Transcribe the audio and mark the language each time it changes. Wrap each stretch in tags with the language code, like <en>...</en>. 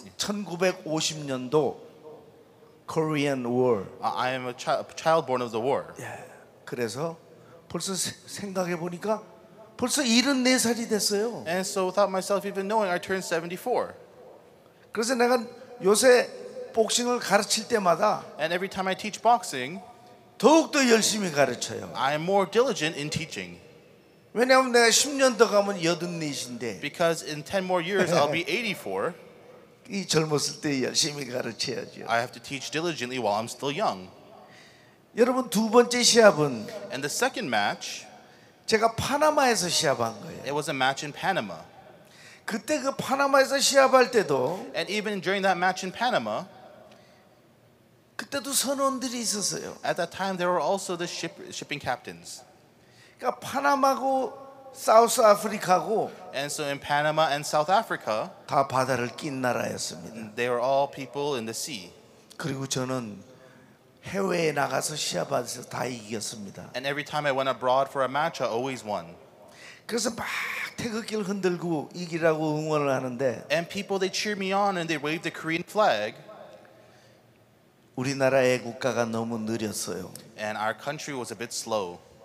<en>World. 1950년도 Korean War. I am a child born of the war.</en> <ko>그래서 벌써 생각해 보니까 벌써 74살이 됐어요.</ko> <en>And so without myself even knowing, I turned 74.</en> <ko>그래서 내가 요새 복싱을 가르칠 때마다</ko> <en>And every time I teach boxing,</en> <ko>더욱더 열심히 가르쳐요.</ko> <en>I am more diligent in teaching.</en> <ko>왜냐하면 내가 10년 더 가면 84인데</ko> <en>Because in 10 more years, I'll be 84.</en> <ko>이 젊었을 때 열심히 가르쳐야죠.</ko> <en>I have to teach diligently while I'm still young.</en> <ko>여러분 두 번째 시합은</ko> <en>And the second match,</en> <ko>제가 파나마에서 시합한 거예요.</ko> <en>It was a match in Panama.</en> <ko>그때 그 파나마에서 시합할 때도</ko> <en>And even during that match in Panama,</en> <ko>그때도 선원들이 있었어요.</ko> <en>At that time, there were also the shipping captains.</en> <ko>그러니까 파나마고 사우스 아프리카고</ko> <en>And so in Panama and South Africa,</en> <ko>다 바다를 낀 나라였습니다.</ko> <en>They were all people in the sea.</en> <ko>그리고 저는 해외에 나가서 시합해서 다 이겼습니다.</ko> <en>And every time I went abroad for a match, I always won.</en> <ko>그래서 막 태극기를 흔들고 이기라고 응원을 하는데</ko> <en>And people, they cheer me on and they wave the Korean flag.</en> <ko>우리나라 애국가가 너무 느렸어요.</ko> <en>And our country was a bit slow.</en>